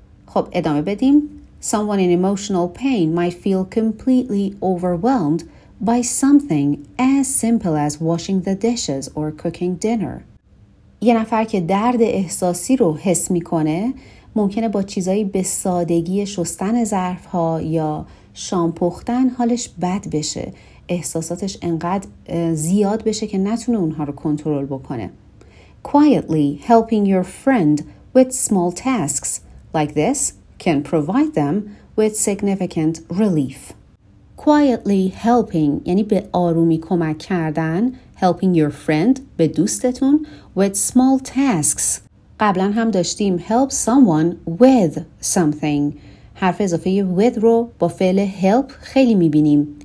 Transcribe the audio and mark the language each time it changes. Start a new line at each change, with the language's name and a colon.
Persian: خب ادامه بدیم.
English: Someone in emotional pain might feel completely overwhelmed by something as simple as washing the dishes or cooking dinner.
Persian: یه نفر که درد احساسی رو حس میکنه ممکنه با چیزایی به سادگی شستن ظرف ها یا شام پختن حالش بد بشه، احساساتش انقدر زیاد بشه که نتونه اونها رو کنترل بکنه.
English: Quietly helping your friend with small tasks like this can provide them with significant relief. Quietly helping
Persian: یعنی به آرومی کمک کردن.
English: Helping your friend
Persian: به دوستتون
English: with small tasks.
Persian: قبلا هم داشتیم
English: help someone with something.
Persian: حرف اضافه with رو با فعل help خیلی میبینیم.